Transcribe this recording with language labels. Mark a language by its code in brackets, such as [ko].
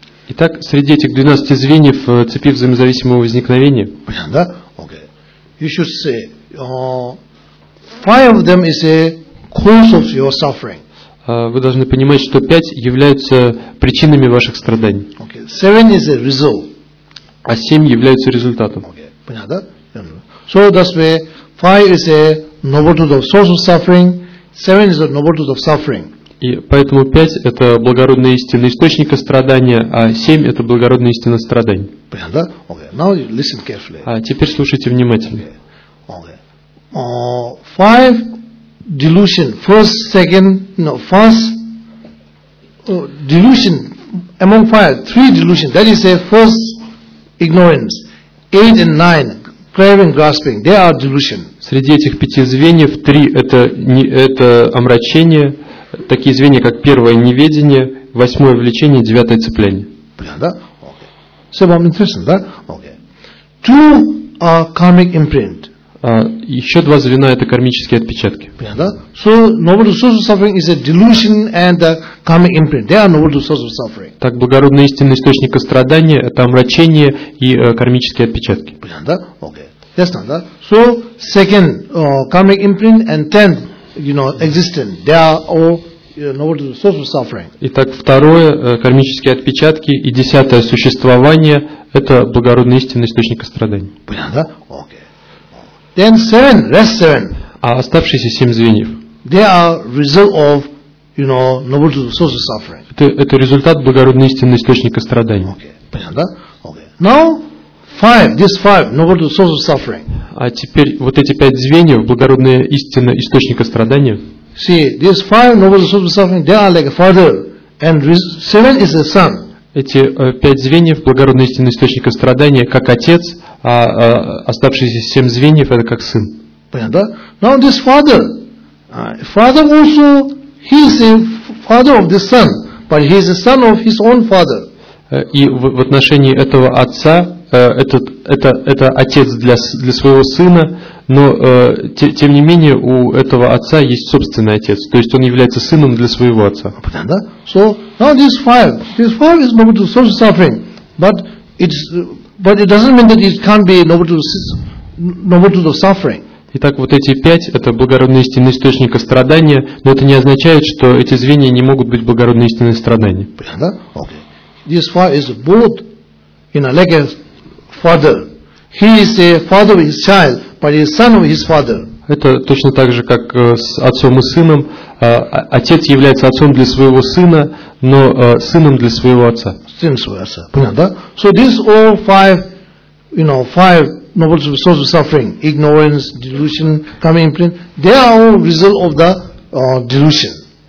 [ru] Итак, среди этих 12 звеньев цепи взаимозависимого возникновения. Да? Okay. [en] You should say five of them is a cause of your suffering. [ru] Вы должны понимать, что 5 являются причинами ваших страданий. [en] Okay. 7 is a result. [ru] А 7 являются результатом. [en] So that's why 5 is a novitude of source of suffering, 7 is a novitude of suffering. [ru] И поэтому 5 это благородная истина источника страдания, а 7 это благородная истина страданий. [en] Понятно? Okay. Now listen carefully. [ru] А теперь слушайте внимательно. [en] Okay. Okay. Delusion among five, three delusions, that is a first ignorance, 8 and 9, craving, grasping, they are delusion. [ru] Среди этих пяти звеньев три это омрачение, такие звенья как первое неведение, восьмое влечение, девятое цепление. [en] Понятно? Okay. Interesting, да? Okay. Two are karmic imprint. [ru] Еще два звена это кармические отпечатки. [en] So novel source of suffering is a delusion and a karmic imprint. They are novel source of suffering. [ru] Так благородный истинный источник страдания это омрачение и кармические отпечатки. [en] Okay. Yes, да? So second karmic imprint and tenth, existence. They are all novel source of suffering. [ru] Итак, второе кармические отпечатки и десятое существование это благородный истинный источник страданий. [en] Понятно? Okay. Then seven, rest seven. [ru] А оставшиеся семь звеньев. [en] They are result of, noble source of suffering. [ru] Это результат благородной истинной источника страданий. [en] Okay, понятно? Okay. Now five, this five, noble source of suffering. [ru] А теперь вот эти пять звеньев благородная истина источника страдания. [en] See, these five noble source of suffering, they are like a father, and seven is a son. [ru] Эти пять звеньев благородный истинный источник страдания как отец. А оставшиеся семь звеньев это как сын. Понятно? [en] Now this father, father also he is a father of this son, but he is a son of his own father. [ru] И в отношении этого отца это отец для своего сына, но тем не менее у этого отца есть собственный отец, то есть он является сыном для своего отца. Понятно? [en] So now this father is moved to social suffering, but it doesn't mean that it can't be novitude of suffering. [ru] Итак, вот эти пять это благородный истинный источник страдания, но это не означает, что эти звенья не могут быть благородной истинной страдания. [en] Понятно? Okay. This fire is both like a father. He is a father of his child, but he is son of his father. [ru] Это точно так же, как с отцом и сыном. Отец является отцом для своего сына, но сыном для своего отца. Сын своего отца. Понятно, да? [en] So these all five, five noble sources of suffering, ignorance, delusion, coming imprint, they are all result of the delusion.